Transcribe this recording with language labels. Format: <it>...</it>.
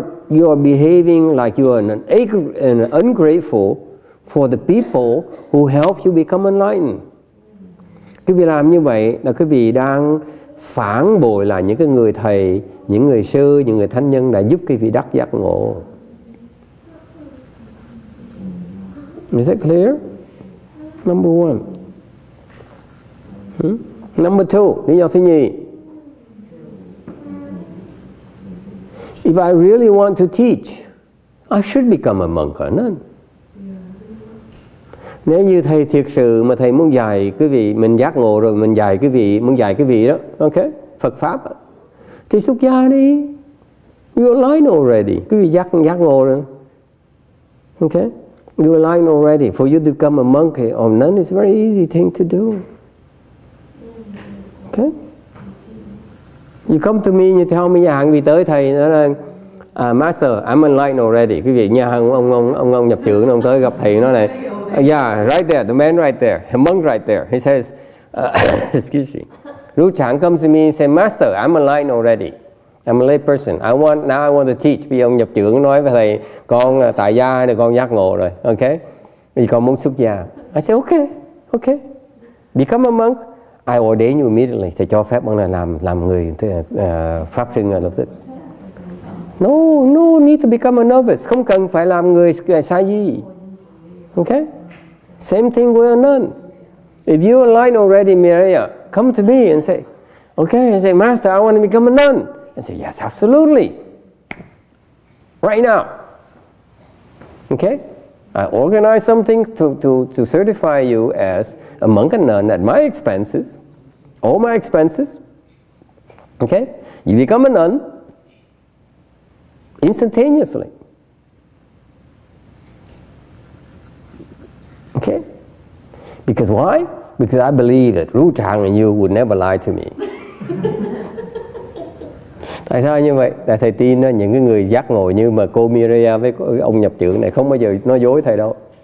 <en>You are behaving like you are an ungrateful for the people who help you become enlightened.</en> <vi>Quý vị làm như vậy là quý vị đang phản bội lại những cái người thầy, những người sư, những người thánh nhân đã giúp quý vị đắc giác ngộ.</vi> <en>Is that clear? Number one. Number two,</en> <vi>lý do thứ nhì.</vi> <en>If I really want to teach, I should become a monk or nun.</en> <vi>Nếu như thầy thiệt sự mà thầy muốn dạy quý vị, mình giác ngộ rồi mình dạy quý vị, muốn dạy quý vị đó, okay, Phật pháp thì xuất gia đi.</vi> <en>You're enlightened already.</en> <vi>Quý vị giác ngộ rồi.</vi> <en>Okay? You're enlightened already. For you to become a monk or nun is a very easy thing to do. Okay? You come to me and you tell me,</en> <vi>nhà hàng vị tới thầy nói là</vi> <en>Master, I'm enlightened already.</en> <vi>Quý vị nhà hàng ông nhập trưởng ông tới gặp thầy nói này.</vi> <en>Yeah, right there, the man right there, the monk right there. He says, excuse me. Ru Chang comes to me and says, Master, I'm enlightened already. I'm a lay person. I want to teach.</en> <vi>Vì ông nhập trưởng nói với thầy, con tại gia thì con giác ngộ rồi.</vi> <en>Okay?</en> <vi>Vì con muốn xuất gia.</vi> <en>I say, okay. Become a monk. I ordain you immediately.</en> <vi>Thầy cho phép ông là làm người pháp sư ngay lập tức.</vi> <en>No need to become a novice.</en> <vi>Không cần phải làm người sa di.</vi> <en>Okay? Same thing with a nun. If you're enlightened already, Miraya, come to me and say, okay, and say, Master, I want to become a nun. And say, yes, absolutely. Right now. Okay? I organize something to certify you as a monk and nun at my expenses, all my expenses. Okay? You become a nun instantaneously. Okay? Because why? Because I believe that Ru Chang and you would never lie to me.</en> <vi>Tại sao như vậy? Tại thầy tin đó, những cái người giác ngộ như mà cô Miriam với ông nhập trưởng này không bao giờ nói dối thầy đâu.</vi>